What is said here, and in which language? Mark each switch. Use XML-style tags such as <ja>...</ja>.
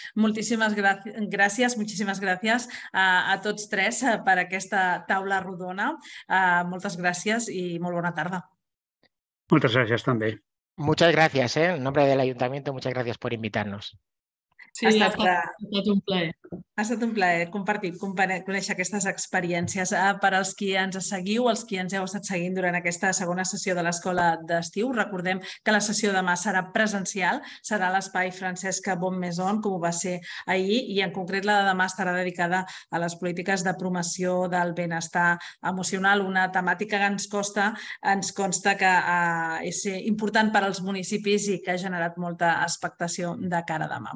<ca>Moltíssimes gràcies, moltíssimes gràcies a tots tres per aquesta taula rodona. Moltes gràcies i molt bona tarda. Moltes gràcies també.</ca> <es>Muchas gracias, en nombre del ayuntamiento, muchas gracias por invitarnos.</es> <ca>Sí, ha estat un plaer. Ha estat un plaer compartir, conèixer aquestes experiències. Per als qui ens seguiu, els qui ens heu estat seguint durant aquesta segona sessió de l'escola d'estiu, recordem que la sessió demà serà presencial, serà l'espai Francesc Bonmaison, com ho va ser ahir, i en concret la de demà estarà dedicada a les polítiques de promoció del benestar emocional, una temàtica que ens consta que és important per als municipis i que ha generat molta expectació de cara a demà.</ca>